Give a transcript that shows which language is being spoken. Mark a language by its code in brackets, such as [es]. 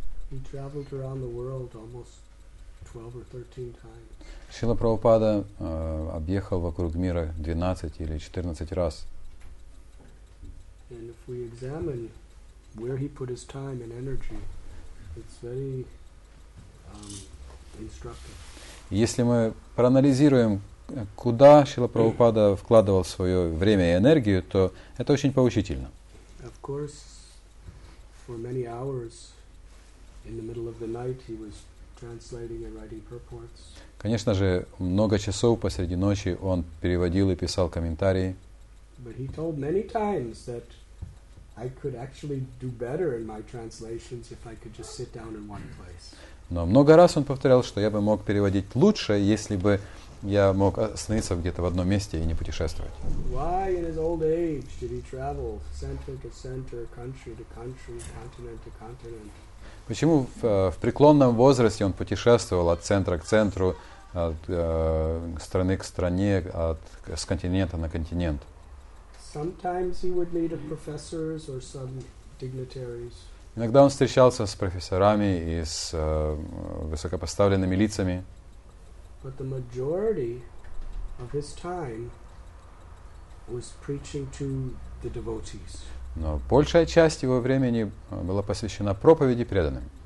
[en] He traveled around the world almost 12 or 13 times. [ru] Шрила Прабхупада объехал вокруг мира 12 или 14 раз. [en] And if we examine where he put his time and energy, it's very instructive. [ru] Если мы проанализируем, куда Шрила Прабхупада вкладывал свое время и энергию, то это очень поучительно. [en] Of course, for many hours in the middle of the night he was translating and writing purports. [ru] Конечно же, много часов посреди ночи он переводил и писал комментарии. [en] But he told many times that I could actually do better in my translations if I could just sit down in one place. [ru] Но много раз он повторял, что я бы мог переводить лучше, если бы я мог остановиться где-то в одном месте и не путешествовать. [en] Why in his old age did he travel center to center, country to country, continent to continent? [ru] Почему в преклонном возрасте он путешествовал от центра к центру, от страны к стране, с континента на континент? [en] Sometimes he would meet professors or some dignitaries. [ru] Иногда он встречался с профессорами и с высокопоставленными лицами. [en] But the majority of his time was preaching to the devotees. [ru] Но большая часть его времени была посвящена проповеди преданным.